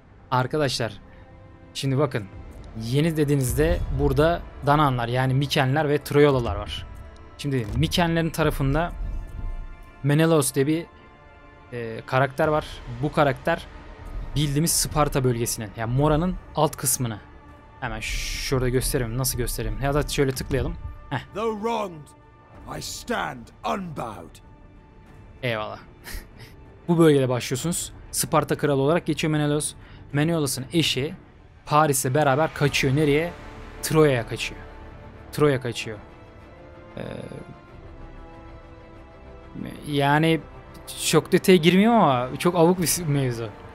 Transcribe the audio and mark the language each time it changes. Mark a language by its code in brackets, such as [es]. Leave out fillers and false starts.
[tr] Arkadaşlar şimdi bakın, yeni dediğinizde burada Dananlar, yani Mikenler ve Troyalılar var. Şimdi Mikenlerin tarafında Menelaos diye bir karakter var. Bu karakter bildiğimiz Sparta bölgesinin, yani Mora'nın alt kısmını. Hemen şurada göstereyim. Nasıl göstereyim? Ya da şöyle tıklayalım. [en] Though wronged, I stand unbowed. [tr] Eyvallah. Bu bölgede başlıyorsunuz. Sparta kralı olarak geçiyor Menelaos. Menelaos'un eşi Paris'le beraber kaçıyor. Nereye? Troya'ya kaçıyor. Troya kaçıyor. Yani çok detaya girmiyorum ama çok avuk bir mevzu.